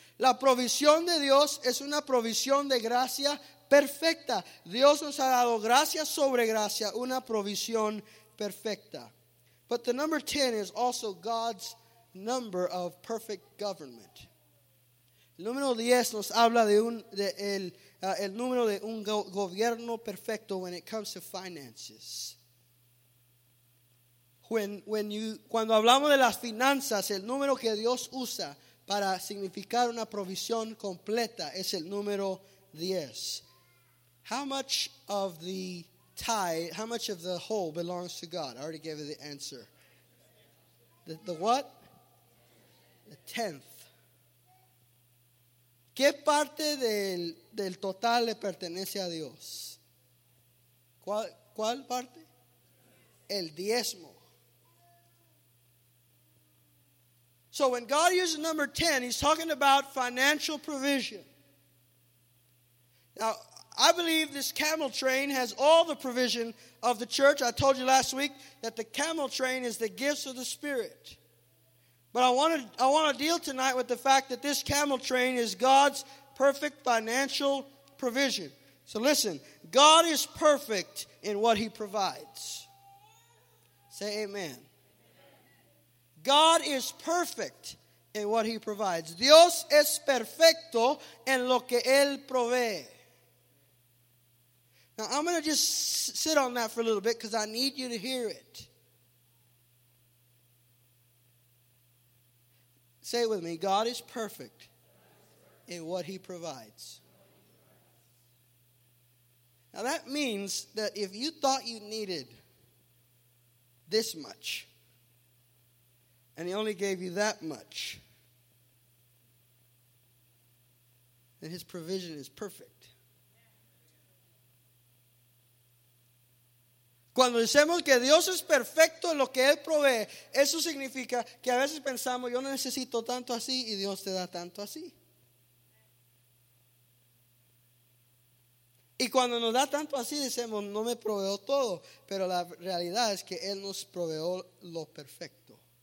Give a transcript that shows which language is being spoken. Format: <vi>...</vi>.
<es>La provisión de Dios es una provisión de gracia perfecta. Dios nos ha dado gracia sobre gracia, una provisión perfecta.</es> <en>But the number 10 is also God's number of perfect government.</en> <es>El número 10 nos habla el número de un gobierno perfecto</es> <en>when it comes to finances.</en> <es>Cuando hablamos de las finanzas, el número que Dios usa para significar una provisión completa es el número 10.</es> <en>How much of the whole belongs to God? I already gave you the answer. The what? The tenth.</en> <es>¿Qué parte del total le pertenece a Dios? ¿Cuál parte? El diezmo.</es> <en>So when God uses number 10, he's talking about financial provision. Now, I believe this camel train has all the provision of the church. I told you last week that the camel train is the gifts of the Spirit. But I want to deal tonight with the fact that this camel train is God's perfect financial provision. So listen, God is perfect in what he provides. Say amen. God is perfect in what he provides.</en> <es>Dios es perfecto en lo que él provee.</es> <en>Now, I'm going to just sit on that for a little bit because I need you to hear it. Say it with me. God is perfect in what he provides. Now, that means that if you thought you needed this much and he only gave you that much, then his provision is perfect.</en> <es>Cuando decimos que Dios es perfecto en lo que Él provee, eso significa que a veces pensamos, yo no necesito tanto así y Dios te da tanto así. Y cuando nos da tanto así, decimos, no me proveó todo. Pero la realidad es que Él nos proveó lo perfecto.</es>